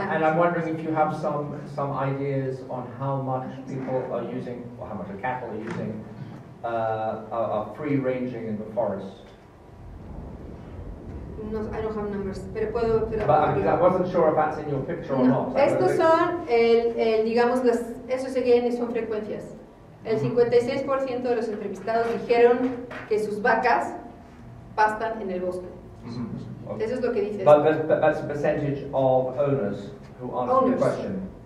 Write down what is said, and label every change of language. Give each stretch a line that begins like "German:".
English: And I'm wondering if you have some ideas on how much people are using, or how much the cattle are using, are free ranging in the forest. No, I don't have numbers,
Spanish: pero puedo...
English: But I wasn't sure if that's in your picture or no, not.
Spanish: Estos son, digamos, las, esos again son frecuencias. El 56% de los entrevistados dijeron que sus vacas pastan en el bosque. Mm-hmm.
English: Okay.
Spanish: Eso es lo que dices.
English: But that's a percentage of owners who answered the question.